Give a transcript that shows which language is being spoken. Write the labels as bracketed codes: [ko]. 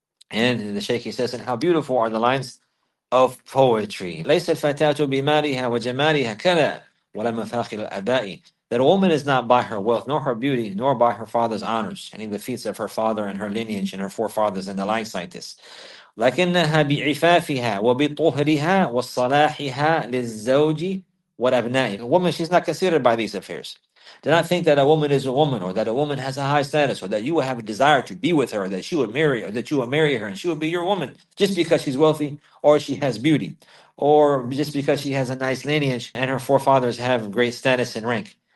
[en] And the Shaykh, he says, and how beautiful are the lines of poetry. [ar] لَيْسَ الْفَتَاةُ بِمَالِهَا وَجَمَالِهَا كَلَا وَلَا مَفَاخِلَ الْأَبَاءِ. [en] That a woman is not by her wealth, nor her beauty, nor by her father's honors, and in the feats of her father and her lineage and her forefathers and the likes like this. [ar] لكنها بعفافها وبطهرها وصلاحها للزوج وأبنائه. [en] A woman, she's not considered by these affairs. Do not think that a woman is a woman, or that a woman has a high status, or that you will have a desire to be with her, or that she would marry, or that you will marry her and she will be your woman just because she's wealthy or she has beauty, or just because she has a nice lineage and her forefathers have great status and rank.